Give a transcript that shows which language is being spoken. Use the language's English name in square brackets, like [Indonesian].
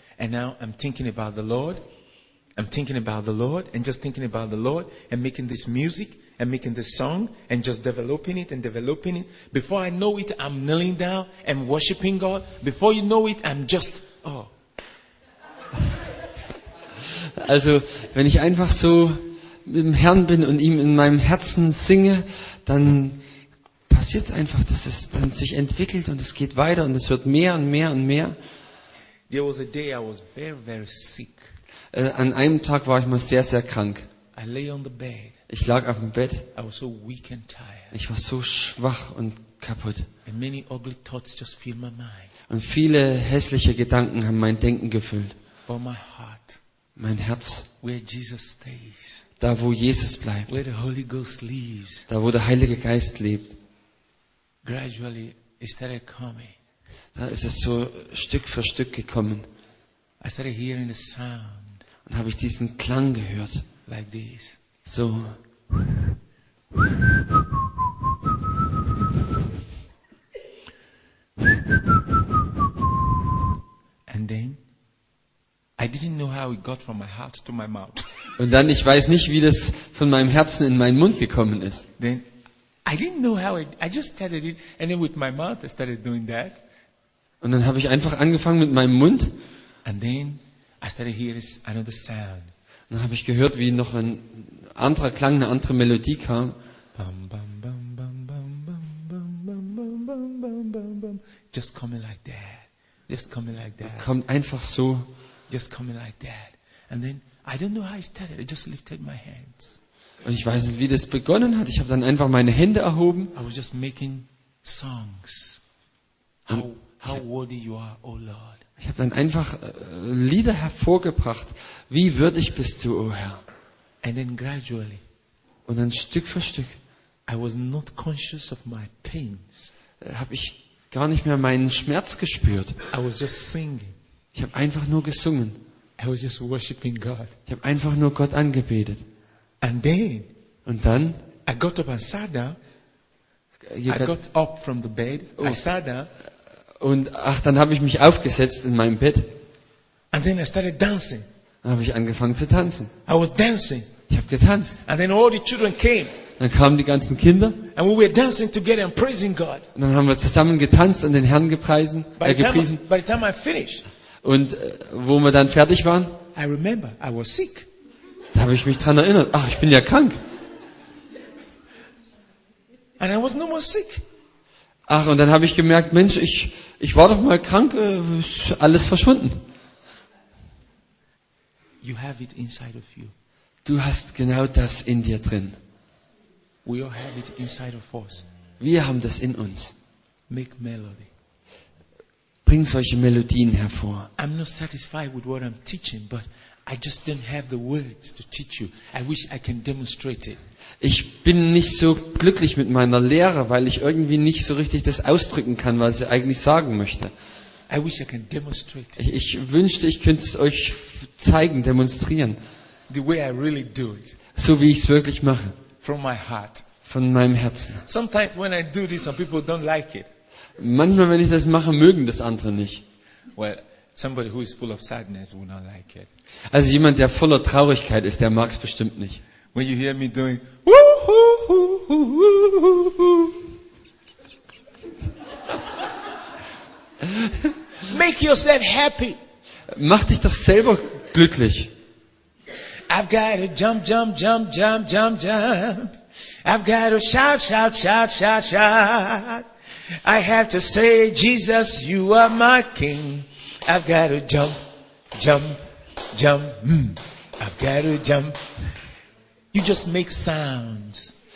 [English] And now I'm thinking about the Lord. I'm thinking about the Lord and just thinking about the Lord and making this music and making this song and just developing it and developing it. Before I know it, I'm kneeling down and worshiping God. Before you know it, I'm just, oh. [German] Also, wenn ich einfach so mit dem Herrn bin und ihm in meinem Herzen singe, dann passiert es einfach, dass es dann sich entwickelt und es geht weiter und es wird mehr und mehr und mehr. [English] There was a day I was very, very sick. [German] An einem Tag war ich mal sehr, sehr krank. [English] I lay on the bed. [German] Ich lag auf dem Bett. [English] I was so weak and tired. [German] Ich war so schwach und kaputt. [English] And many ugly thoughts just filled my mind. [German] Und viele hässliche Gedanken haben mein Denken gefüllt. [English] But my heart, [German] mein Herz, [English] where Jesus stays, [German] da wo Jesus bleibt, [English] where the Holy Ghost lives, [German] da wo der Heilige Geist lebt, [English] gradually it started coming. [German] Da ist es so Stück für Stück gekommen. [English] I started hearing the sound. [German] Und habe ich diesen Klang gehört. [English] Like this. [German] So. [English] And then I didn't know how it got from my heart to my mouth. [German] Und dann, ich weiß nicht, wie das von meinem Herzen in meinen Mund gekommen ist. [English] Then I didn't know how it, I just started it and then with my mouth I started doing that. [German] Und dann habe ich einfach angefangen mit meinem Mund. [English] And then I started hearing another sound. [German] Dann habe ich gehört, wie noch ein anderer Klang, eine andere Melodie kam. Bam, bam, bam, bam, bam, bam, bam, bam, bam, bam, bam, bam. [English] Just coming like that. Just coming like that. [German] Kommt einfach so. [English] Just coming like that. And then I don't know how it started. I just lifted my hands. [German] Und ich weiß nicht, wie das begonnen hat. Ich habe dann einfach meine Hände erhoben. [English] I was just making songs. How worthy you are, O Lord. [German] Ich habe dann einfach Lieder hervorgebracht. Wie würdig bist du, oh Herr? [English] And then gradually, [German] und dann Stück für Stück, [English] I was not conscious of my pains. [German] Habe ich gar nicht mehr meinen Schmerz gespürt. [English] I was just singing. [German] Ich habe einfach nur gesungen. [English] I was just worshiping God. [German] Ich habe einfach nur Gott angebetet. [English] And then, [German] und dann, [English] I got up and sat down. I got up from the bed. Oh. I sat down. [German] Und ach, dann habe ich mich aufgesetzt in meinem Bett. [English] And then I started dancing. [German] Dann habe ich angefangen zu tanzen. [English] I was dancing. [German] Ich habe getanzt. [English] And then all the children came. [German] Dann kamen die ganzen Kinder. [English] And we were dancing together and praising God. [German] Und dann haben wir zusammen getanzt und den Herrn gepriesen. [English] By the time I finished. [German] Und wo wir dann fertig waren. [English] I remember, I was sick. [German] Da habe ich mich dran erinnert. Ach, ich bin ja krank. [English] And I was no more sick. [German] Ach, und dann habe ich gemerkt, Mensch, ich war doch mal krank, alles verschwunden. [English] You have it inside of you. [German] Du hast genau das in dir drin. [English] We all have it inside of us. [German] Wir haben das in uns. [English] Make melody. [German] Bring solche Melodien hervor. [English] I'm not satisfied with what I'm teaching, but I just don't have the words to teach you. I wish I can demonstrate it. [German] Ich bin nicht so glücklich mit meiner Lehre, weil ich irgendwie nicht so richtig das ausdrücken kann, was sie eigentlich sagen möchte. [English] I wish I can demonstrate. [German] Ich wünschte, ich könnte es euch zeigen, demonstrieren. [English] The way I really do it. [German] So wie ich es wirklich mache. [English] From my heart. [German] Von meinem Herzen. [English] Sometimes when I do this, some people don't like it. [German] Manchmal, wenn ich das mache, mögen das andere nicht. [English] Well, somebody who is full of sadness will not like it. [German] Also jemand, der voller Traurigkeit ist, der mag es bestimmt nicht. [English] When you hear me doing woo-hoo-hoo-hoo-hoo-hoo. Make yourself happy. [German] Mach dich doch selber glücklich. [English] I've got to jump, jump, jump, jump, jump, jump. I've got to shout, shout, shout, shout, shout. I have to say, Jesus, you are my king. I've got to jump, jump, jump. I've got to jump. You just make sounds.